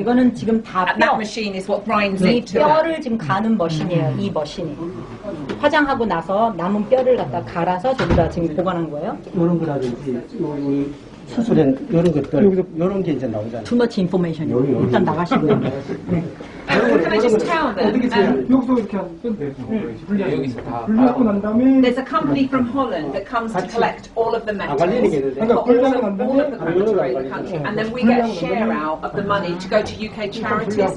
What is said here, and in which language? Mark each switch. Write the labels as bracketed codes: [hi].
[ko] 이거는 지금 다 [en] 뼈. That machine is what grinds it. [ko] 뼈를 지금 가는 머신이에요. 이 머신이. 화장하고 나서 남은 뼈를 갖다 갈아서 전부 다 지금 보관한 거예요. 이런 거라든지. 수술은 이런 것들 이런 게 이제 나오잖아요. [en] Too much information. [ko] 일단 나가시고요. 네. 여기서 다 [en] There's a company from Holland that comes to collect all of the metals. [ko] 그러니까 분리하고 난 다음에 [en] And then we get a share out of the money to go to UK charities.